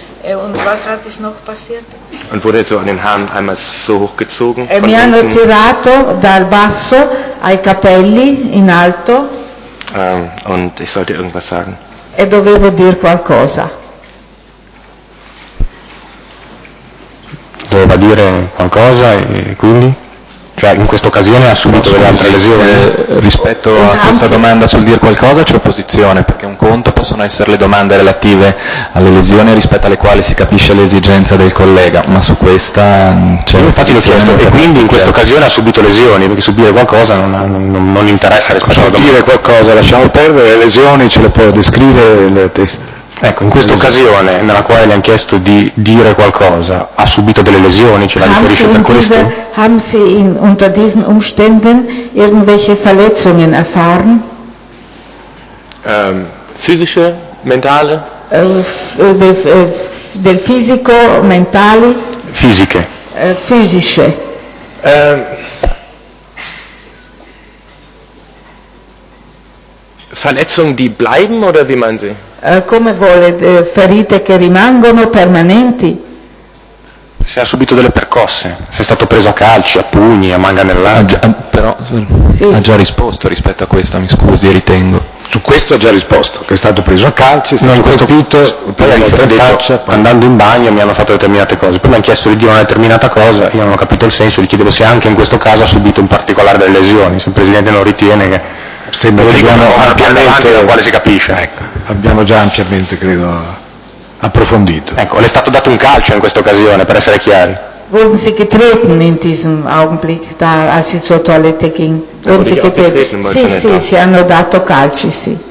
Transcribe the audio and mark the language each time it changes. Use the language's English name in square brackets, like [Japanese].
[German] E was hat sich noch passiert? Und wurde so an den Haaren einmal so hochgezogen. [Italian] E mi hanno tirato dal basso ai capelli in alto. [German] Und ich sollte irgendwas sagen. [Italian] E dovevo dir qualcosa. Doveva dire qualcosa e quindi? Cioè in questa occasione ha subito delle altre lesioni. Rispetto a questa domanda sul dire qualcosa c'è opposizione, perché un conto possono essere le domande relative alle lesioni rispetto alle quali si capisce l'esigenza del collega, ma su questa c'è opposizione. E quindi in questa occasione ha subito lesioni, perché subire qualcosa non interessa rispetto alla domanda. Dire qualcosa, lasciamo perdere, le lesioni ce le può descrivere le teste. Ecco, in questa occasione nella quale le hanno chiesto di dire qualcosa, ha subito delle lesioni, ce la riferisce per questo? [German] Haben Sie unter diesen Umständen irgendwelche Verletzungen erfahren? Physische, mentale? [Italian] Del fisico, mentali? Fisiche. Fisiche. [German] Verletzungen, die bleiben, oder wie meinen Sie? [Italian] Come vuole, ferite che rimangono permanenti? Se ha subito delle percosse, se è stato preso a calci, a pugni, a manganellate. Però sì. Ha già risposto rispetto a questa, mi scusi, ritengo. Su questo ha già risposto, che è stato preso a calci, è stato colpito, poi ha detto, calcio, poi. Andando in bagno mi hanno fatto determinate cose, poi mi hanno chiesto di dire una determinata cosa, io non ho capito il senso, gli chiedevo se anche in questo caso ha subito un particolare delle lesioni, se il Presidente non ritiene che... Sembra che abbiamo ampiamente, da quale si capisce, ecco. Abbiamo già ampiamente, credo, approfondito. Ecco, le è stato dato un calcio in questa occasione, per essere chiari. [German] Wurden Sie getreten in diesem Augenblick, da als Sie zur Toilette ging? Wurden Sie getreten? [Italian] Sì, sì, si hanno dato calci, sì.